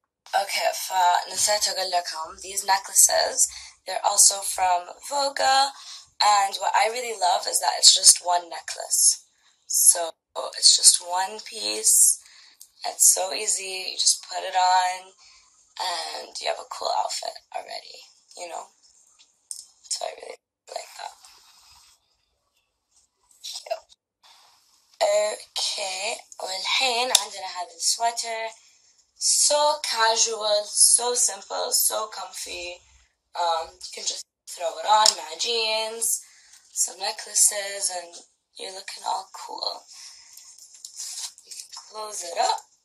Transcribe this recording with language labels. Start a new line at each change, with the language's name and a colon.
Arabic: Okay, فنسيت أقول لكم
English: these necklaces. They're also from Vogue. And what I really love is that it's just one necklace. So it's just one piece. It's so easy. You just put it on and you have a cool outfit already, you know? So I really like that. Okay.
Arabic: والحين عندنا هذا السواتر.
English: So casual, so simple, so comfy. You can just throw it on, my jeans, some necklaces, and you're looking all cool. You can close it up.